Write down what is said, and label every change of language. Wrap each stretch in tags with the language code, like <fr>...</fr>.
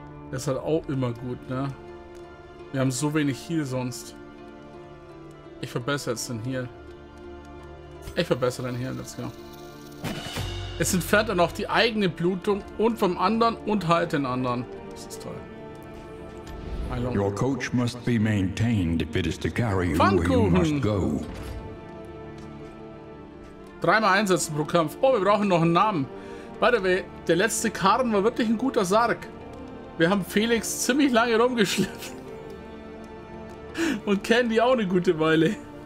<de>Der ist halt auch immer gut, ne? Wir haben so wenig Heal sonst. Ich verbessere jetzt den Heal.</de> <en>Let's go.</en> <de>Es entfernt dann auch die eigene Blutung und vom anderen und halt den anderen. Das ist toll.</de> <en>Your coach must be maintained if it is to carry you where you must go.</en> <de>3-mal einsetzen pro Kampf. Oh, wir brauchen noch einen Namen.</de> <en>By the way,</en> <de>der letzte Karren war wirklich ein guter Sarg. Wir haben Felix ziemlich lange rumgeschliffen. Und Candy auch eine gute Weile.</de>